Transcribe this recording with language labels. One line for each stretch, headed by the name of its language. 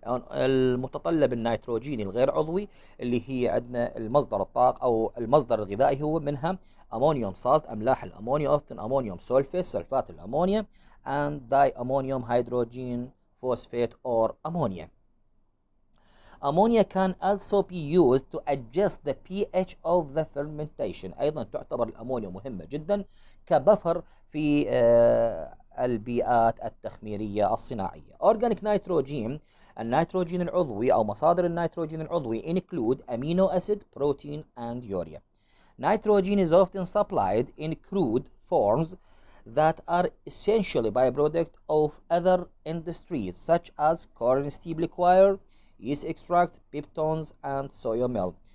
Arabic: المتطلب النيتروجيني الغير عضوي اللي هي عندنا المصدر الطاقة أو المصدر الغذائي هو منها أمونيوم سالت، أملاح الأمونيا، أوفتن أمونيوم سولفيت، سلفات الأمونيا، and داي أمونيوم هيدروجين فوسفيت أو أمونيا.
English: Ammonia can also be used to adjust the pH of the fermentation.
Arabic: أيضا تعتبر الأمونيا مهمة جدا كبفر في البيئات التخميرية الصناعية.
English: Organic nitrogen,
Arabic: النيتروجين العضوي أو مصادر النيتروجين العضوي
English: include amino acid, protein and urea. Nitrogen is often supplied in crude forms that are essentially byproduct of other industries such as corn stem liquor, yeast extract, peptones and soy meal.